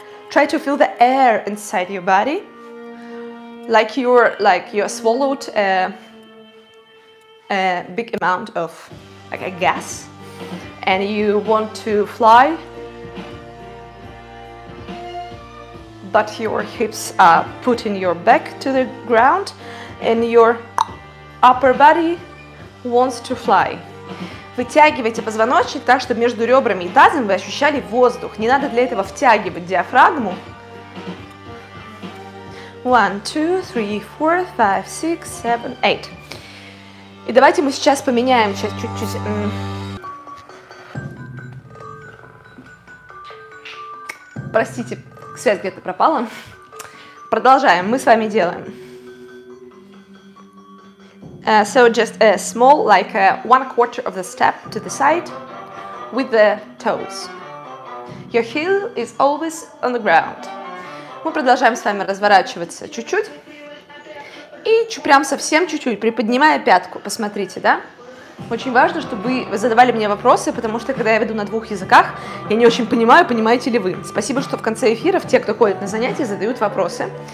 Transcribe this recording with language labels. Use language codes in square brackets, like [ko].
[en] Try to feel the air inside your body. Like you're swallowed a big amount of, like a gas. And you want to fly, but your hips are putting your back to the ground, and your upper body wants to fly. [ru] вытягивайте позвоночник так, чтобы между ребрами и тазом вы ощущали воздух. Не надо для этого втягивать диафрагму. [en] One, two, three, four, five, six, seven, eight. [ru] И давайте мы сейчас поменяем, сейчас чуть-чуть... Простите, связь где-то пропала. Продолжаем, мы с вами делаем. [en] So just a small, like a one quarter of the step to the side with the toes. Your heel is always on the ground. [ru] Мы продолжаем с вами разворачиваться чуть-чуть. И прям совсем чуть-чуть, приподнимая пятку, посмотрите, да? Очень важно, чтобы вы задавали мне вопросы, потому что, когда я веду на двух языках, я не очень понимаю, понимаете ли вы. Спасибо, что в конце эфиров те, кто ходит на занятия, задают вопросы.